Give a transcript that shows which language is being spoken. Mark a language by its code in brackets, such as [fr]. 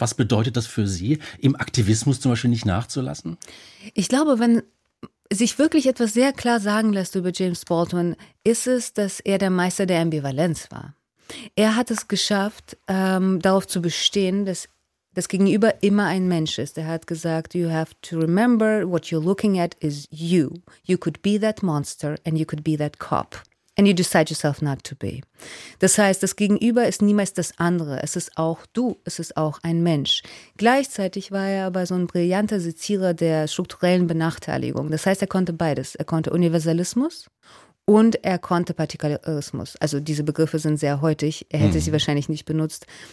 [de] Was bedeutet das für Sie, im Aktivismus zum Beispiel nicht nachzulassen? Ich glaube, wenn sich wirklich etwas sehr klar sagen lässt über James Baldwin, ist es, dass er der Meister der Ambivalenz war. Er hat es geschafft, darauf zu bestehen, dass das Gegenüber immer ein Mensch ist. Er hat gesagt, [en] you have to remember what you're looking at is you. You could be that monster and you could be that cop. And you decide yourself not to be. [de] Das heißt, das Gegenüber ist niemals das andere. Es ist auch du, es ist auch ein Mensch. Gleichzeitig war er aber so ein brillanter Sezierer der strukturellen Benachteiligung. Das heißt, er konnte beides. Er konnte Universalismus und er konnte Partikularismus. Also diese Begriffe sind sehr heutig. Er hätte sie wahrscheinlich nicht benutzt.